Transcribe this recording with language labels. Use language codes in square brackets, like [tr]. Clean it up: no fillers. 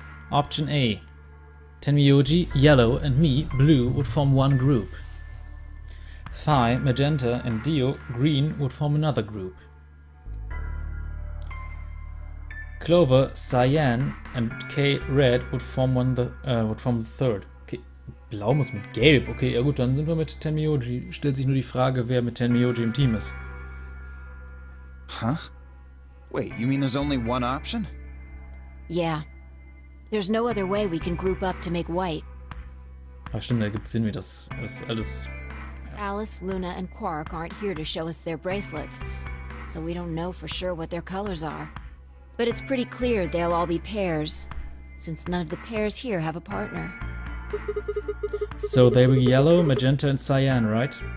[en] Option A. Tenmyoji, Yellow, and me, Blue, would form one group. Fi, Magenta, and Dio, Green, would form another group. Clover, Cyan, and K, Red, would form the third. [de] Okay, Blau muss mit Gelb. Okay, ja gut, dann sind wir mit Tenmyoji. Stellt sich nur die Frage, wer mit Tenmyoji im Team ist. [en] Huh? Wait, you mean there's only one option? Yeah. There's no other way we can group up to make white. [de] Ach stimmt, da gibt's Sinn, wie das alles... [en] Alice, Luna, and Quark aren't here to show us their bracelets, so we don't know for sure what their colors are. But it's pretty clear they'll all be pairs, since none of the pairs here have a partner. So they were yellow, magenta, and cyan, right?